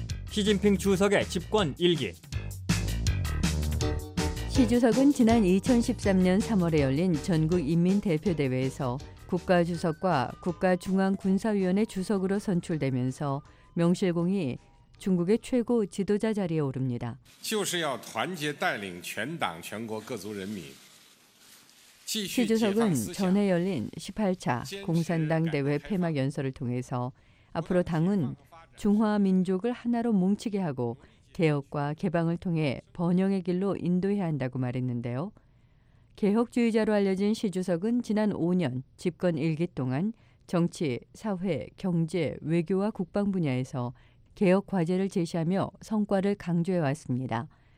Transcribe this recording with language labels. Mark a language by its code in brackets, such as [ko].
[ko] 시진핑 주석의 집권 1기. 시 주석은 지난 2013년 3월에 열린 전국인민대표대회에서 국가주석과 국가중앙군사위원회 주석으로 선출되면서 명실공히 중국의 최고 지도자 자리에 오릅니다. [zh] 就是要团结带领全党全国各族人民 [ko] 시 주석은 전에 열린 18차 공산당 대회 폐막 연설을 통해서 앞으로 당은 중화민족을 하나로 뭉치게 하고 개혁과 개방을 통해 번영의 길로 인도해야 한다고 말했는데요. 개혁주의자로 알려진 시 주석은 지난 5년 집권 1기 동안 정치, 사회, 경제, 외교와 국방 분야에서 개혁 과제를 제시하며 성과를 강조해왔습니다.